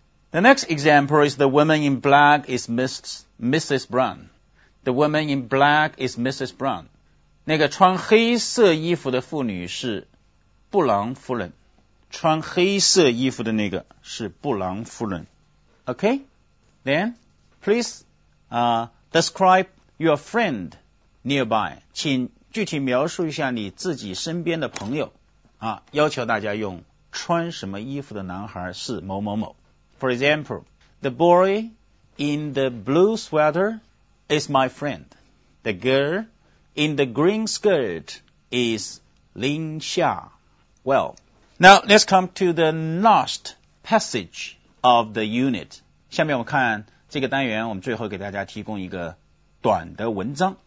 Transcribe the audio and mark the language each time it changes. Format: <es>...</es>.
<en>The next example is the woman in black is Mrs. Brown. The woman in black is Mrs. Brown.</en> <zh>那个穿黑色衣服的妇女是布朗夫人，穿黑色衣服的那个是布朗夫人。</zh> <en>Okay, then please describe your friend nearby.</en> <zh>请具体描述一下你自己身边的朋友。要求大家用穿什么衣服的男孩是某某某。</zh> <en>For example, the boy in the blue sweater is my friend. The girl in the green skirt is Lin Xia. Well, now let's come to the last passage of the unit.</en> <zh>下面我们看这个单元，我们最后给大家提供一个短的文章。</zh>